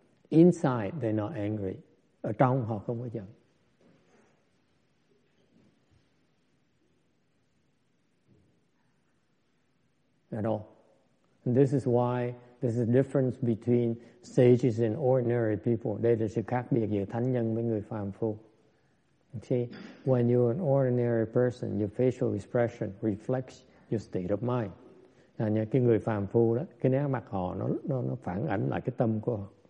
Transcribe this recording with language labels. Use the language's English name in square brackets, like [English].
[English] Inside, they're not angry. [Vietnamese] Ở trong họ không có giận. [English] At all. And this is why there's a difference between sages and ordinary people. [Vietnamese] Đây là sự khác biệt giữa thánh nhân với người phàm phu. [English] See, when you're an ordinary person, your facial expression reflects your state of mind. [Vietnamese] Là những cái người phàm phu đó, cái nét mặt họ nó phản ảnh lại cái tâm của họ.